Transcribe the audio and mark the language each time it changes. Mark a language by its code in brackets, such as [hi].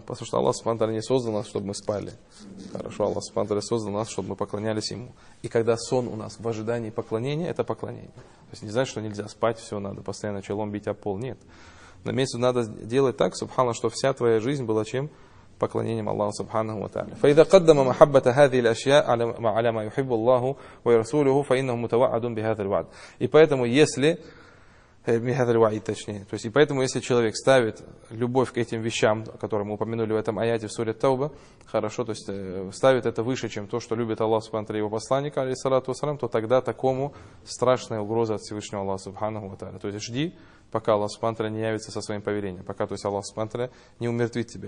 [ru] Потому что Аллах субхану ва тааля не создал нас, чтобы мы спали. Хорошо, Аллах субхану ва тааля создал нас, чтобы мы поклонялись Ему. И когда сон у нас в ожидании поклонения, это поклонение. То есть не значит, что нельзя спать, все надо постоянно челом бить о пол. Нет. На месте надо делать так, субхану, чтобы вся твоя жизнь была чем? Поклонением Аллаху Субханаху ва Тааля. [ar] فإذا قدم محبة هذه الأشياء على ما يحب الله ورسوله فإنه متوعد بهذا الوعد. [ru] И поэтому если [ar] بهذا الوعد [ru] точнее, то есть и поэтому если человек ставит любовь к этим вещам, о которых мы упомянули в этом аяте в суре Тауба, хорошо, то есть ставит это выше, чем то, что любит Аллах Субхану ва Тааля его посланника алейхиссалату вассалям, то тогда такому страшная угроза от Всевышнего Аллаха Субханаху ва Тааля. То есть жди, пока Аллах Субхану ва Тааля не явится со своим повелением, пока, то есть, Аллах Субхану ва Тааля не умертвит тебя.